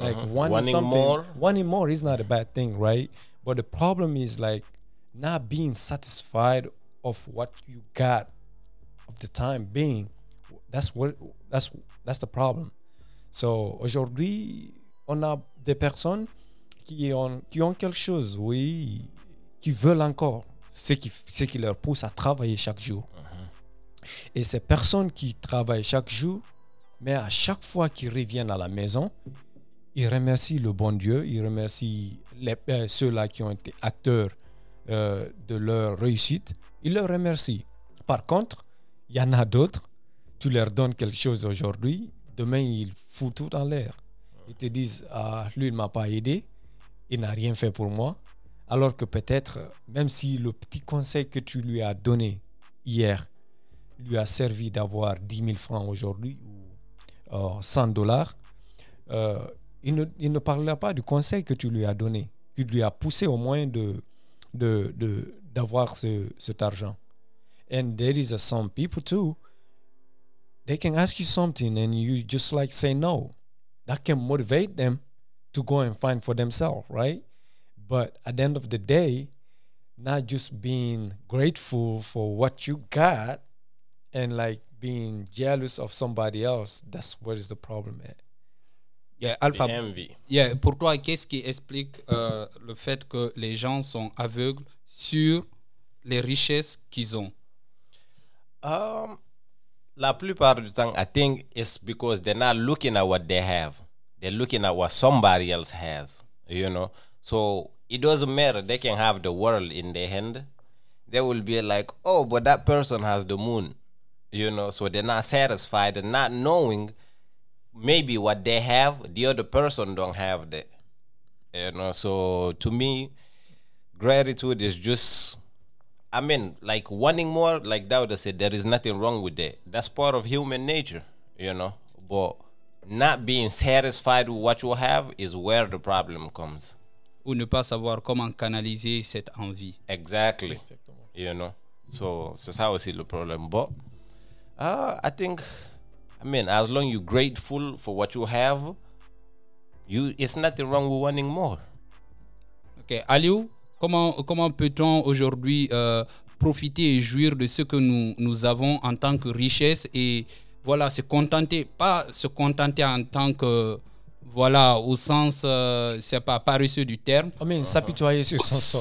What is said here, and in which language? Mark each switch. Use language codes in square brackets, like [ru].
[en] Like wanting more is not a bad thing, right? But the problem is like, not being satisfied of what you got of the time being, that's the problem. [fr] So aujourd'hui, on a des personnes qui ont quelque chose, oui, qui veulent encore, ce qui leur pousse à travailler chaque jour. Uh-huh. Et ces personnes qui travaillent chaque jour, mais à chaque fois qu'ils reviennent à la maison, ils remercient le bon Dieu, ils remercient ceux-là qui ont été acteurs de leur réussite, ils le remercient. Par contre, il y en a d'autres, tu leur donnes quelque chose aujourd'hui, demain ils foutent tout en l'air. Ils te disent, lui il ne m'a pas aidé, il n'a rien fait pour moi. Alors que peut-être, même si le petit conseil que tu lui as donné hier lui a servi d'avoir 10 000 francs aujourd'hui ou 100 $, il ne parlera pas du conseil que tu lui as donné, qui lui a poussé au moins d'avoir cet argent. [en] And there is some people too, they can ask you something and you just like say no. That can motivate them to go and find for themselves, right? But at the end of the day, not just being grateful for what you got and like being jealous of somebody else, that's what is the problem, man. Yeah, Alpha. The envy. [fr] Yeah, pour toi, qu'est-ce qui explique le fait que les gens sont aveugles sur les richesses qu'ils ont? La plupart du temps, [en] I think it's because they're not looking at what they have. They're looking at what somebody else has, you know? So it doesn't matter. They can have the world in their hand. They will be like, oh, but that person has the moon, you know? So they're not satisfied, not knowing maybe what they have, the other person don't have that, you know? So to me, gratitude is just... I mean, like wanting more, like Dauda said, there is nothing wrong with that. That's part of human nature, you know. But not being satisfied with what you have is where the problem comes. [fr] Ou ne pas savoir comment canaliser cette envie. [en] Exactly. [fr] Exactement. [en] You know. So, [fr] c'est ça aussi le problème. [en] But I think, as long as you're grateful for what you have, it's nothing wrong with wanting more. Okay, Aliou? [fr] Comment peut-on aujourd'hui profiter et jouir de ce que nous avons en tant que richesse et voilà, se contenter, pas se contenter en tant que, voilà, au sens, c'est pas paresseux du terme. Oh, mais s'apitoyer sur son sort.